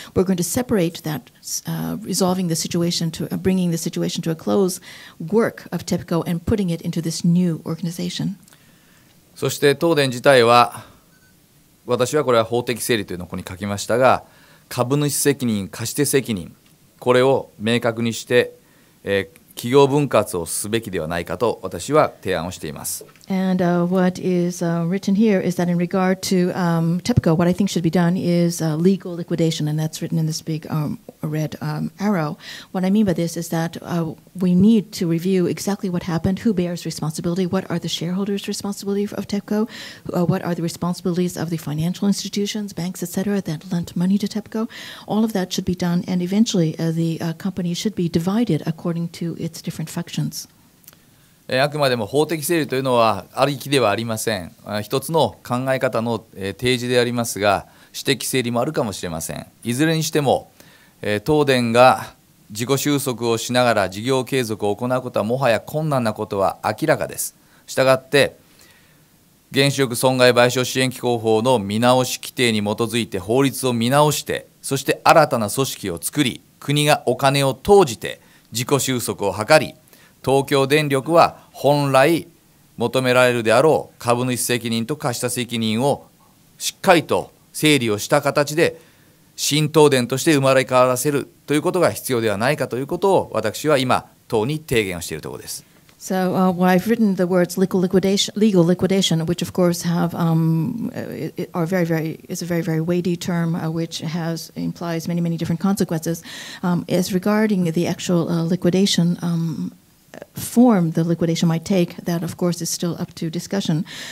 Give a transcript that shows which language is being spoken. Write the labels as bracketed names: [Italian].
[English] We're going to separate that resolving the situation to bringing the situation to a close work of TEPCO and putting it into this new organization. [Japanese] そして東電自体は、私はこれは法的整理というのをここに書きましたが、株主責任、貸し手責任、これを明確にして、企業分割をすべきではないかと私は提案をしています。 [English] And what is written here is that in regard to TEPCO, what I think should be done is legal liquidation, and that's written in this big red arrow. What I mean by this is that we need to review exactly what happened, who bears responsibility, what are the shareholders' responsibility of TEPCO, what are the responsibilities of the financial institutions, banks, etc., that lent money to TEPCO. All of that should be done, and eventually the company should be divided according to its different functions. [Japanese] あくまでも法的整理というのはありきではありません。一つの考え方の提示でありますが、私的整理もあるかもしれません。いずれにしても、東電が自己収束をしながら事業継続を行うことはもはや困難なことは明らかです。したがって、原子力損害賠償支援機構法の見直し規定に基づいて法律を見直して、そして新たな組織を作り、国がお金を投じて自己収束を図り、東京電力は本来求められるであろう株主責任と貸した責任をしっかりと整理をした形で新東電として生まれ変わらせるということが必要ではないかということを私は今党に提言をしているところです。 [English] So, well, I've written the words legal liquidation, which of course have, are very, very, is a very, very weighty term, which has, implies many, many different consequences. As regarding the actual liquidation, form the liquidation might take, that of course is still up to discussion.